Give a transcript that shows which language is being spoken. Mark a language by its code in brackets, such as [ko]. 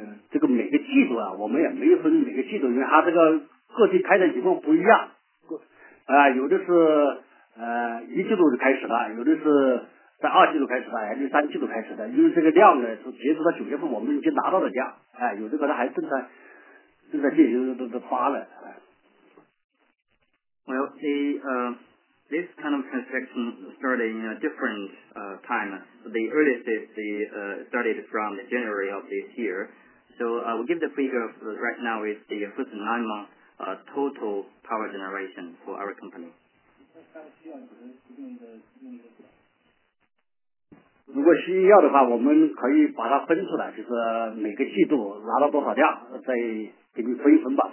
[zh] 这个每个季度啊，我们也没分每个季度，因为它这个各地开展情况不一样，有的是一季度就开始了，有的是在二季度开始的，还是三季度开始的，因为这个量呢是截止到九月份我们已经拿到的量，有的可能还正在进行都发了。 [en] Well, the this kind of transaction started in a different time. The earliest is the started from the January of this year. So we'll give the figure of right now is the first 9 month total power generation for our company. [zh] 如果需要的话，我们可以把它分出来，就是每个季度拿到多少量，再给你分一分吧。